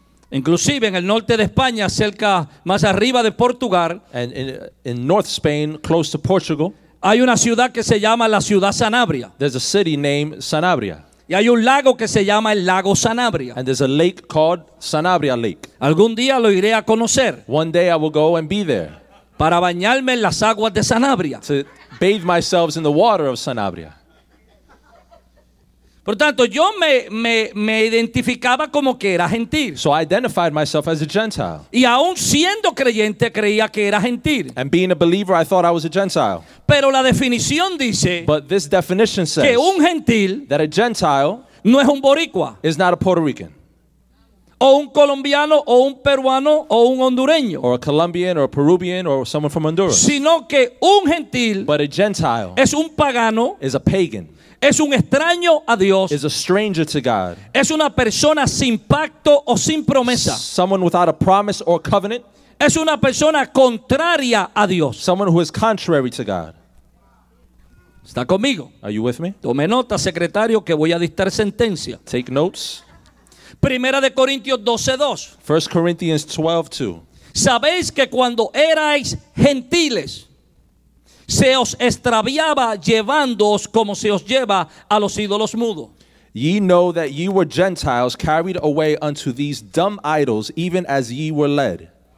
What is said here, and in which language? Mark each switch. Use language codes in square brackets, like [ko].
[es] Inclusive en el norte de España, cerca más arriba de Portugal, [en] and in North Spain, close to Portugal, [es] hay una ciudad que se llama la ciudad Sanabria. [en] There's a city named Sanabria. [es] Y hay un lago que se llama el lago Sanabria. [en] And there's a lake called Sanabria Lake. [es] Algún día lo iré a conocer. [en] One day I will go and be there. [es] Para bañarme en las aguas de Sanabria. [en] To bathe myself in the water of Sanabria. [es] Por tanto, yo me identificaba como que era gentil. [en] So I identified myself as a Gentile. [es] Y aún siendo creyente, creía que era gentil. [en] And being a believer, I thought I was a Gentile. [es] Pero la definición dice, [en] but this definition says, [es] que un gentil, [en] that a Gentile, [es] no es un boricua, [en] is not a Puerto Rican, [es] o un colombiano, o un peruano, o un hondureño, [en] or a Colombian, or a Peruvian, or someone from Honduras, [es] sino que un gentil, [en] but a Gentile, [es] es un pagano, [en] is a pagan, [es] es un extraño a Dios, [en] is a stranger to God, [es] es una persona sin pacto o sin promesa, [en] someone without a promise or covenant, [es] es una persona contraria a Dios, [en] someone who is contrary to God. [es] ¿Está conmigo? [en] Are you with me? [es] Tome nota, secretario, que voy a dictar sentencia. [en] Take notes. [es] Primera de Corintios 12:2. [en] 1 Corinthians 12:2. [es] Sabéis que cuando erais gentiles, se os extraviaba llevándoos como se os lleva a los ídolos mudos. [en] Ye know that ye were Gentiles carried away unto these dumb idols, even as ye were led.